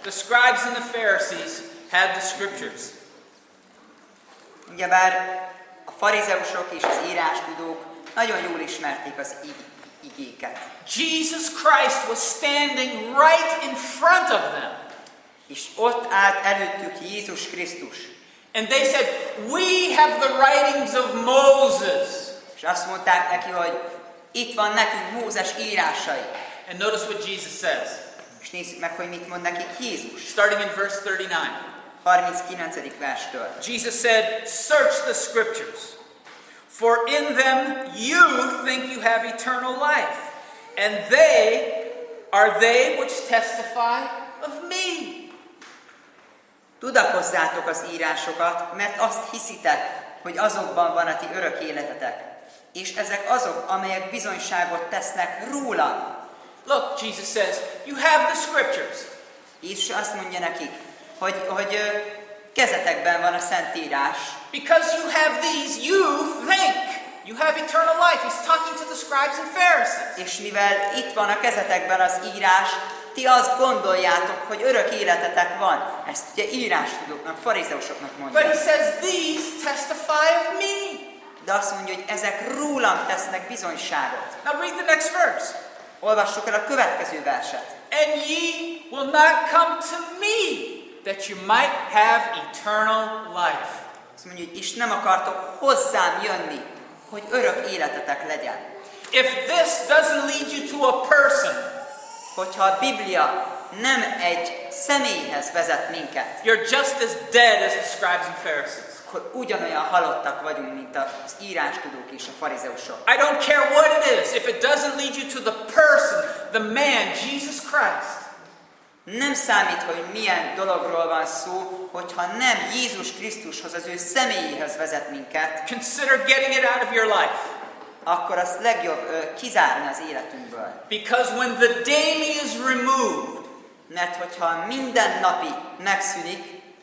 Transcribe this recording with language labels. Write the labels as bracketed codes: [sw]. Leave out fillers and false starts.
[en] The scribes and the Pharisees had the scriptures. [hu] Ugyebár a farizeusok és az írástudók nagyon jól ismerték az igéket. [en] Jesus Christ was standing right in front of them. [hu] És ott állt előttük Jézus Krisztus. [en] And they said, we have the writings of Moses. [hu] És azt mondták neki, hogy itt van nekünk Mózes írásai. [en] And notice what Jesus says. [hu] És nézzük meg, hogy mit mond nekik Jézus. [en] Starting in verse 39. [hu] 39. verstől. [en] Jesus said, search the scriptures. For in them you think you have eternal life. And they are they which testify of me. [hu] Tudakozzátok az írásokat, mert azt hiszitek, hogy azokban van a ti örök életetek. És ezek azok, amelyek bizonyságot tesznek róla. [en] Look, Jesus says, you have the scriptures. [hu] Jézus azt mondja nekik, hogy kezetekben van a Szentírás. [en] Because you have these, you think you have eternal life. He's talking to the scribes and Pharisees. [hu] És mivel itt van a kezetekben az írás, ti azt gondoljátok, hogy örök életetek van. Ezt ugye írástudóknak, farizeusoknak mondja. [en] But he says, these testify of me. [hu] De azt mondja, hogy ezek rólam tesznek bizonyságot. [en] Now read the next verse. [hu] Olvassuk el a következő verset. [en] And ye will not come to me, that you might have eternal life. [hu] Azt mondja, hogy és nem akartok hozzám jönni, hogy örök életetek legyen. [en] If this doesn't lead you to a person, [hu] hogyha a Biblia nem egy személyhez vezet minket, [en] you're just as dead as the scribes and Pharisees. [hu] Akkor ugyanolyan halottak vagyunk, mint az írástudók és a farizeusok. [en] I don't care what it is, if it doesn't lead you to the person, the man, Jesus Christ. [hu] Nem számít, hogy milyen dologról van szó, hogyha nem Jézus Krisztushoz, az ő személyéhez vezet minket. [en] Consider getting it out of your life. [hu] Akkor az legjobb kizárni az életünkből. [en] Because when the daily is removed, [hu] mert hogyha minden napi megszűnik,